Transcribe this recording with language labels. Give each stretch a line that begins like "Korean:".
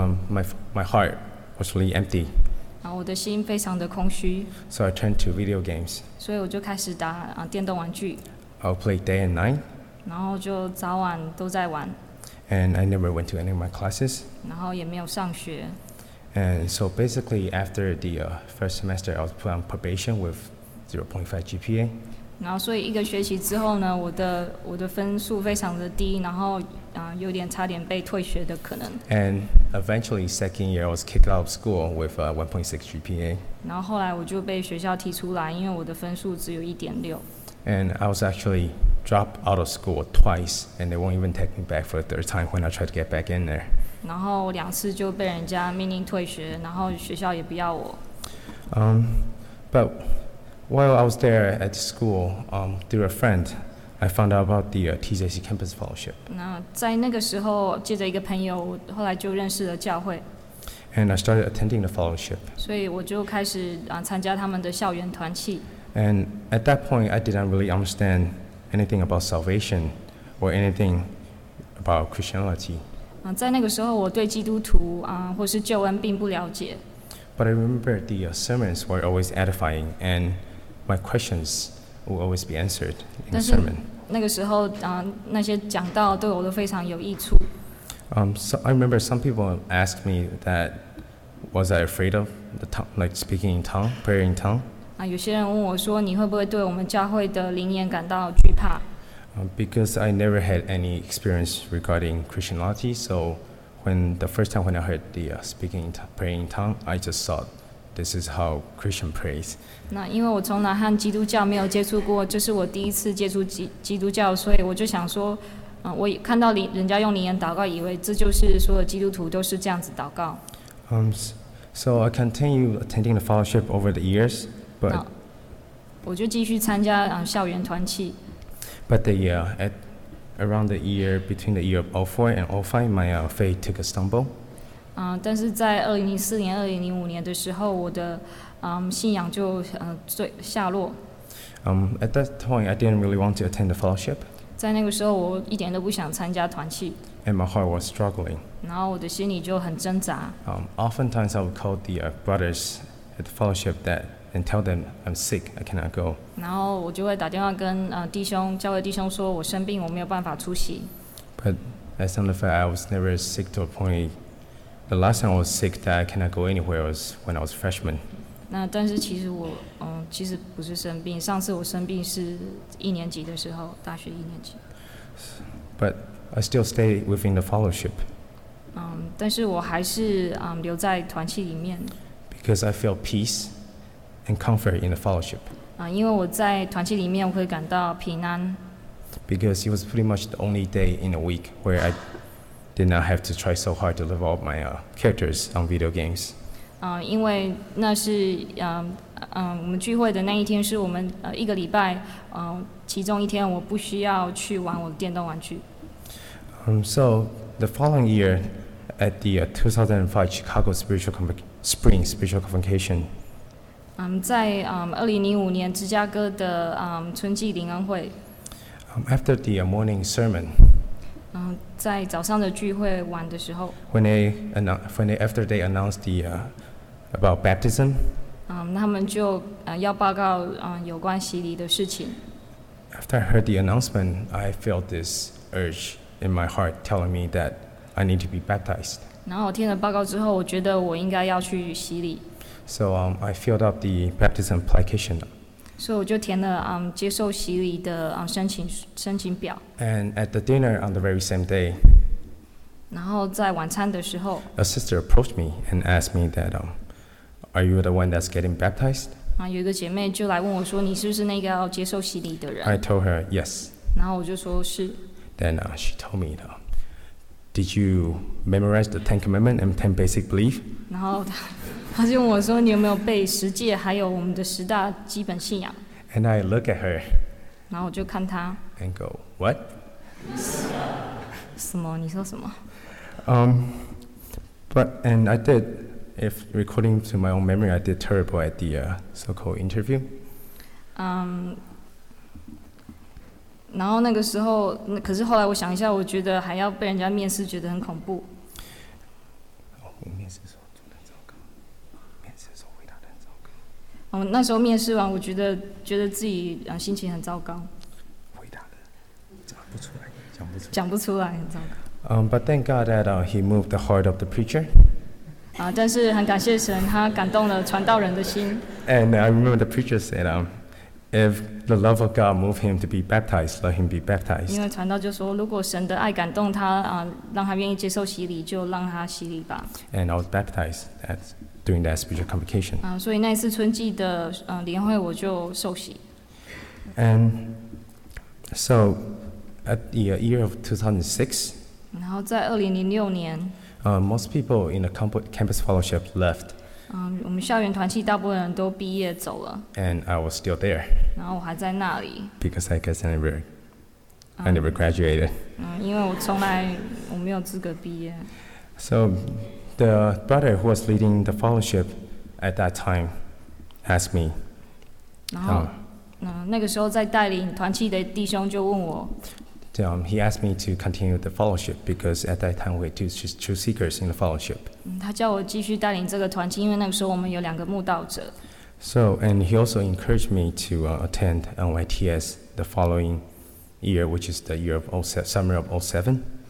English: my heart was really empty.
Chinese: 我的心非常的空虚。
English: So I turned to video games.
Chinese: 所以我就开始打电动玩具。
English: I'll play day and night.
Chinese: 然后就早晚都在玩。
English: And I never went to any of my classes.
Chinese: 然后也没有上学。
English: And so basically, after the first semester, I was put on probation with 0.5 GPA.
Chinese: 然后所以一个学期之后呢，我的分数非常的低，然后有点差点被退学的可能。
English: And eventually, second year, I was kicked out of school with 1.6 GPA.
Chinese: 然后后来我就被学校踢出来，因为我的分数只有 1.6。
English: And I was actually dropped out of school twice, and they won't even take me back for the third time when I tried to get back in there.
Chinese: 然后两次就被人家命令退学，然后学校也不要我。
English: But while I was there at school, through a friend, I found out about the TJC Campus Fellowship.
Chinese: 那在那个时候，借着一个朋友，后来就认识了教会。
English: And I started attending the fellowship.
Chinese: 所以我就开始参加他们的校园团契。
English: And at that point, I didn't really understand anything about salvation or anything about Christianity.
Chinese: 在那个时候，我对基督徒或是救恩并不了解。
English: But I remember the sermons were always edifying, and my questions would always be answered in the sermon.
Chinese: 那个时候，那些讲道对我都非常有益处。
English: So I remember some people asked me that was I afraid of the tongue, like speaking in tongue, prayer in tongue.
Chinese: 有些人问我说：“你会不会对我们教会的灵言感到惧怕？”
English: Because I never had any experience regarding Christianity, so when the first time when I heard the speaking praying tongue, I just thought this is how Christian prays.
Chinese: 那因为我从来和基督教没有接触过，这是我第一次接触基督教，所以我就想说，我看到人家用灵言祷告，以为这就是所有基督徒都是这样子祷告。
English: So I continue attending the fellowship over the years. But,
Chinese: 我就继续参加校园团契。
English: But the at around the year between the year of 04 and 05, my faith took a stumble.
Chinese: 但是在2004年、2005年的时候，我的信仰就坠下落。
English: At that point, I didn't really want to attend the fellowship.
Chinese: 在那个时候，我一点都不想参加团契。
English: And my heart was struggling.
Chinese: 然后我的心里就很挣扎。
English: Oftentimes, I would call the brothers at the fellowship and tell them I'm sick, I cannot go.
Chinese: 然后我就会打电话跟弟兄，教会弟兄说我生病，我没有办法出席。
English: But as in the fact, I was never sick to a point. The last time I was sick that I cannot go anywhere was when I was freshman.
Chinese: 那但是其实我其实不是生病，上次我生病是一年级的时候，大学一年级。
English: But I still stay within the fellowship.
Chinese: 但是我还是留在团契里面。
English: Because I feel peace and comfort in the fellowship.
Chinese: 因为我在团契里面我会感到平安。
English: Because it was pretty much the only day in a week where I did not have to try so hard to level up my characters on video games.
Chinese: 因为那是我们聚会的那一天是我们一个礼拜其中一天，我不需要去玩我的电动玩具。
English: So the following year at the 2005 Chicago Spring Spiritual Convocation.
Chinese: 在2005年芝加哥的春季灵恩会。
English: After the morning sermon.
Chinese: 在早上的聚会晚的时候。
English: After they announced the about baptism.
Chinese: 他们就要报告有关洗礼的事情。
English: After I heard the announcement, I felt this urge in my heart telling me that I need to be baptized.
Chinese: 然后我听了报告之后，我觉得我应该要去洗礼。
English: So I filled up the baptism application.
Chinese: 所以我就填了接受洗礼的申请表。
English: And at the dinner on the very same day,
Chinese: 然后在晚餐的时候
English: ，a sister approached me and asked me that, "Are you the one that's getting baptized?"
Chinese: 有一个姐妹就来问我说，你是不是那个要接受洗礼的人
English: ？I told her yes.
Chinese: 然后我就说是。
English: Then she told me, "Did you memorize the Ten Commandments and Ten Basic Beliefs?"
Chinese: 然后她就问我说，你有没有背十诫，还有我们的十大基本信仰
English: ？And I look at her.
Chinese: 然后我就看她。
English: And go, "What?"
Chinese: 什么？你说什么？
English: But and I did, if according to my own memory, I did terrible at the so-called interview.
Chinese: 然后那个时候，可是后来我想一下，我觉得还要被人家面试，觉得很恐怖。那时候面试完，我觉得自己心情很糟糕。回答的讲不出来，讲不出来，很糟糕。
English: But thank God that he moved the heart of the preacher.
Chinese: 但是很感谢神，他感动了传道人的心。
English: And I remember the preacher said, "If the love of God move him to be baptized, let him be baptized."
Chinese: 因为传道就说，如果神的爱感动他让他愿意接受洗礼，就让他洗礼吧。
English: And I was baptized during that spiritual convocation.
Chinese: 所以那一次春季的联会，我就受洗。
English: And so at the year of 2006.
Chinese: 然后在2006年
English: most people in the campus fellowship left.
Chinese: 我们校园团契大部分人都毕业走了。
English: And I was still there.
Chinese: 然后我还在那里。
English: Because I guess I never graduated.
Chinese: 因为我从来我没有资格毕业。
English: So the brother who was leading the fellowship at that time asked me.
Chinese: 然后那个时候在带领团契的弟兄就问我。
English: He asked me to continue the fellowship because at that time we had two seekers in the fellowship.
Chinese: 他叫我继续带领这个团契，因为那个时候我们有两个慕道者。
English: So and he also encouraged me to attend NYTS the following year, which is the year of summer of 07.